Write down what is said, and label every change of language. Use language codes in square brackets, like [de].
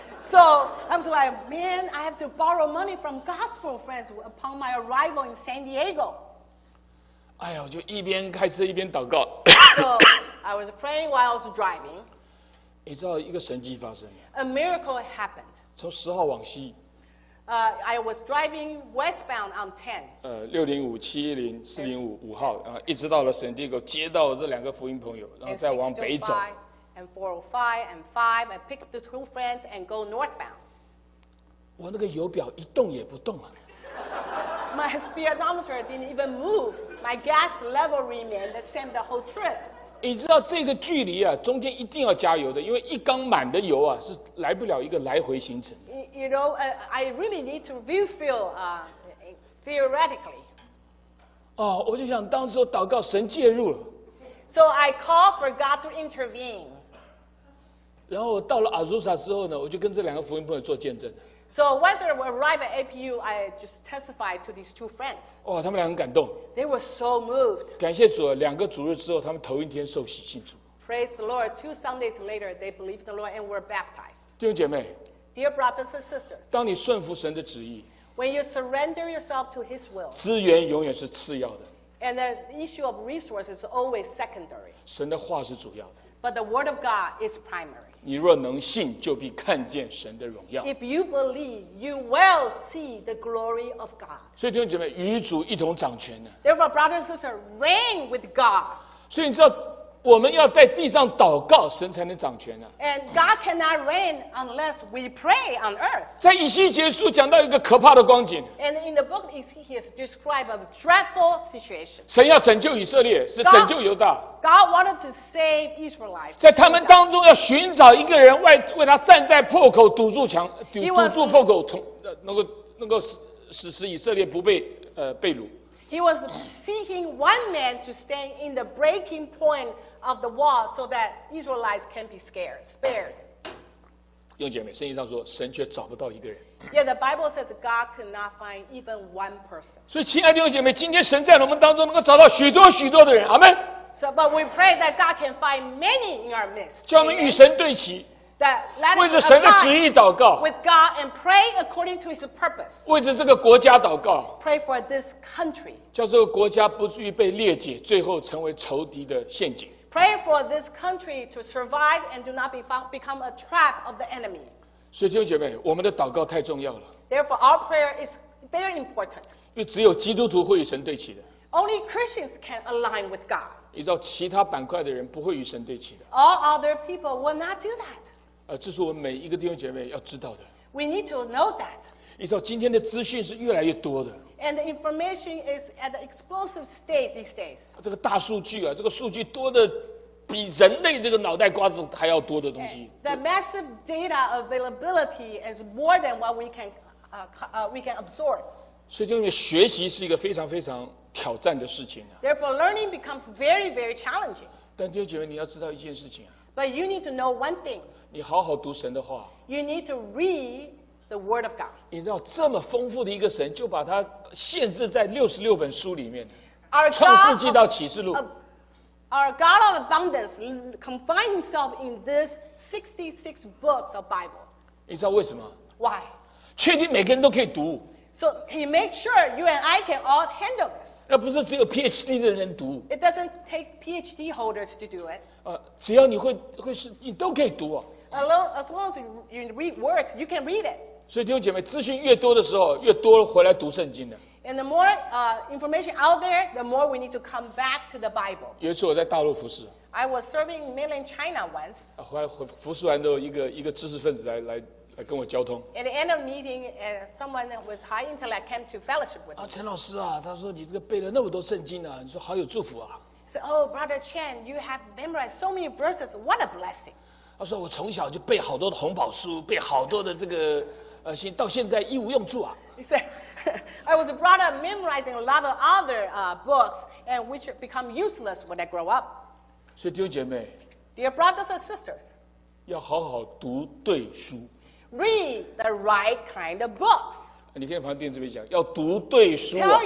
[en] So I was like, man, I have to borrow money from gospel friends upon my arrival in San Diego. [zh] 哎呀，我就一边开车一边祷告。 [en] So I was praying while I was driving. [zh] 你知道一个神迹发生。 [en] A miracle happened. [zh] 从十号往西。 [en] I was driving westbound on 10. [zh] 六零五、七一零、四零五、五号，然后一直到了 San Diego， 接到了这两个福音朋友，然后再往北走。 [en] And 405 and 5, I picked up the two friends and go northbound. [zh] 我那个油表一动也不动啊。 [en] My speedometer didn't even move. My gas level remained the same the whole trip. [zh] 你知道这个距离啊，中间一定要加油的，因为一缸满的油啊是来不了一个来回行程。 [en] You know, I really need to refill theoretically. [zh] 哦，我就想当时我祷告神介入了。 [en] So I called for God to intervene. [zh] 然后我到了 Azusa 之后呢，我就跟这两个福音朋友做见证。 [en] So whether we arrive at APU, I just testified to these two friends. [zh] 哇，他们俩很感动。 [en] They were so moved. [zh] 感谢主，两个主日之后，他们头一天受洗信主。 [en] Praise the Lord. Two Sundays later, they believed the Lord and were baptized. [zh] 弟兄姐妹。 [en] Dear brothers and sisters. [zh] 当你顺服神的旨意。 [en] When you surrender yourself to His will. [zh] 资源永远是次要的。 [en] And the issue of resources is always secondary. [zh] 神的话是主要的。 [en] But the word of God is primary. [zh] 你若能信，就必看见神的荣耀。 [en] If you believe, you will see the glory of God. [zh] 所以弟兄姐妹，与主一同掌权呢。 [en] Therefore, brothers and sisters, reign with God. [zh] 所以你知道，我们要在地上祷告，神才能掌权呢。 [en] And God cannot reign unless we pray on earth. [zh] 在以西结书讲到一个可怕的光景。 [en] And in the book, Ezekiel describes a dreadful situation. [zh] 神要拯救以色列，是拯救犹大。 [en] God wanted to save Israelites. [zh] 在他们当中要寻找一个人为他站在破口堵住墙，堵住破口，能够使以色列不被被掳。 [en] He was seeking one man to stand in the breaking point of the wall so that Israelites can be spared. [zh] 弟兄姐妹，圣经上说，神却找不到一个人。 [en] Yeah, the Bible says God could not find even one person. [zh] 所以，亲爱的弟兄姐妹，今天神在我们当中能够找到许多许多的人，阿门。 [en] So, but we pray that God can find many in our midst. [zh] 叫我们与神对齐。为着神的旨意祷告 [en] with God and pray according to His purpose. [zh] 为着这个国家祷告 [en] pray for this country. [zh] 叫这个国家不至于被列解，最后成为仇敌的陷阱 [en] pray for this country to survive and do not become a trap of the enemy. [zh] 所以弟兄姐妹，我们的祷告太重要了 [en] therefore our prayer is very important. [zh] 因为只有基督徒会与神对齐的 [en] only Christians can align with God. [zh] 你知道其他板块的人不会与神对齐的 [en] all other people will not do that. [zh] 这是我们每一个弟兄姐妹要知道的。 [en] We need to know that. [zh] 你知道今天的资讯是越来越多的。 [en] And the information is at an explosive state these days. [zh] 这个大数据啊，这个数据多的比人类这个脑袋瓜子还要多的东西。 [en] The massive data availability is more than what we can absorb. [zh] 所以弟兄姐妹，学习是一个非常非常挑战的事情啊。 [en] Therefore, learning becomes very, very challenging. [zh] 但弟兄姐妹，你要知道一件事情啊。 [en] But you need to know one thing. [zh] 你好好读神的话。 [en] You need to read the word of God. [zh] 你知道这么丰富的一个神，就把它限制在66本书里面。创世纪到启示录。 [en] Our God of abundance confined himself in this 66 books of Bible. [zh] 你知道为什么？ [en] Why? [zh] 确定每个人都可以读。 [en] So he makes sure you and I can all handle this. [zh] 那不是只有 PhD 的人读。 [en] It doesn't take PhD holders to do it. [zh] 只要你会是，你都可以读。 [en] As long as you read words, you can read it. [zh] 所以弟兄姐妹，资讯越多的时候，越多回来读圣经的。 [en] And the more information out there, the more we need to come back to the Bible. [zh] 有一次我在大陆服侍。 [en] I was serving mainland China once. [zh] 服侍完之后，一个知识分子来跟我交通。 [en] At the end of meeting, someone with high intellect came to fellowship with me. [zh] 陈老师啊，他说你这个背了那么多圣经啊，你说好有祝福啊。 [en] He said, "Oh, Brother Chen, you have memorized so many verses. What a blessing!" [zh] 他说我从小就背好多的红宝书，背好多的这个信，到现在一无用处啊。 [en] He said. I was brought up memorizing a lot of other books, and which become useless when I grow up. [zh] 所以弟兄姐妹， [en] Dear brothers and sisters, [zh] 要好好读对书。 [en] Read the right kind of books. [zh] 你可以旁边这边讲，要读对书啊。